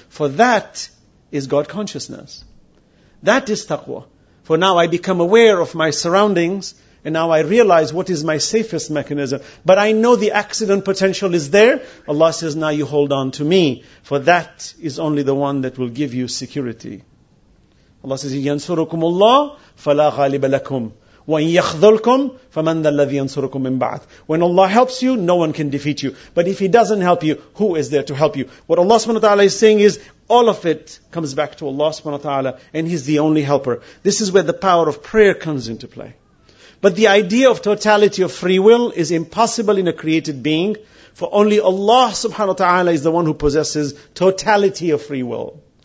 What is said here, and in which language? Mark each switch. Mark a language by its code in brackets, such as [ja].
[en] For that is God consciousness. That is taqwa. For now I become aware of my surroundings and now I realize what is my safest mechanism. But I know the accident potential is there. Allah says, now you hold on to me. For that is only the one that will give you security. Allah says, [ar] يَنْصُرُكُمُ اللَّهُ فَلَا غَالِبَ لَكُمْ وَيَخْذُلْكُمْ فَمَن ذَا الَّذِي يَنْصُرُكُمْ مِنْ بَعْدِهِ. [en] When Allah helps you, no one can defeat you. But if He doesn't help you, who is there to help you? What Allah subhanahu wa ta'ala is saying is, all of it comes back to Allah subhanahu wa ta'ala, and He's the only helper. This is where the power of prayer comes into play. But the idea of totality of free will is impossible in a created being, for only Allah subhanahu wa ta'ala is the one who possesses totality of free will.